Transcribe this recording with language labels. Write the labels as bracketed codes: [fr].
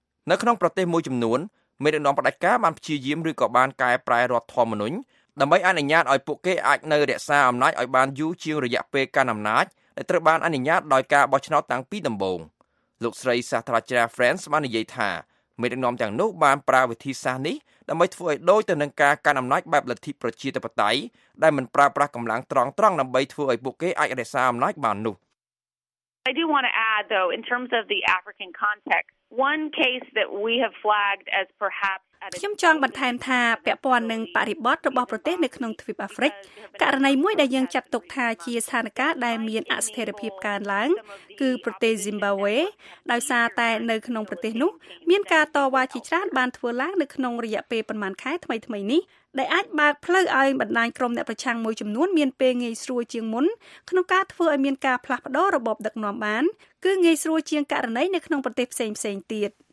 [km] នៅក្នុងប្រទេសមួយចំនួនមេដឹកនាំផ្ដាច់ការបានព្យាយាមឬក៏បានកែប្រែរដ្ឋធម្មនុញ្ញដើម្បីអនុញ្ញាតឲ្យពួកគេអាចនៅរក្សាអំណាចឲ្យបានយូរជាងរយៈពេលកាន់អំណាចដែលត្រូវបានអនុញ្ញាតដោយការបោះឆ្នោតតាំងពីដំបូងលោកស្រីសាស្ត្រាចារ្យ Friends បាននិយាយថាមេដឹកនាំទាំងនោះបានប្រើវិធីសាស្ត្រនេះដើម្បីធ្វើឲ្យដូចទៅនឹងការកាន់អំណាចបែបលទ្ធិប្រជាធិបតេយ្យដែលមិនប្រើប្រាស់កម្លាំងត្រង់ដើម្បីធ្វើឲ្យពួកគេអាចរក្សាអំណាចបាននោះ [en] I do want to add though in terms of the African context one case that we have flagged as perhaps [km] ខ្ញុំចង់បន្ថែមថាពាក់ព័ន្ធនឹងបរិបទរបស់ប្រទេសនៅក្នុងទ្វីបអាហ្វ្រិកករណីមួយដែលយើងចាត់ទុកថាជាស្ថានភាពដែលមានអស្ថិរភាពកើនឡើងគឺប្រទេសស៊ីមបាវេដោយសារតែនៅក្នុងប្រទេសនោះមានការតវ៉ាជាច្រើនបានធ្វើឡើងនៅក្នុងរយៈពេលប៉ុន្មានខែថ្មីៗនេះដែលអាចបើកផ្លូវឲ្យបណ្ដាញក្រុមអ្នកប្រឆាំងមួយចំនួនមានពេលងាយស្រួលជាងមុនក្នុងការធ្វើឲ្យមានការផ្លាស់ប្ដូររបបដឹកនាំបានគឺងាយស្រួលជាងករណីនៅក្នុងប្រទេសផ្សេងៗទៀត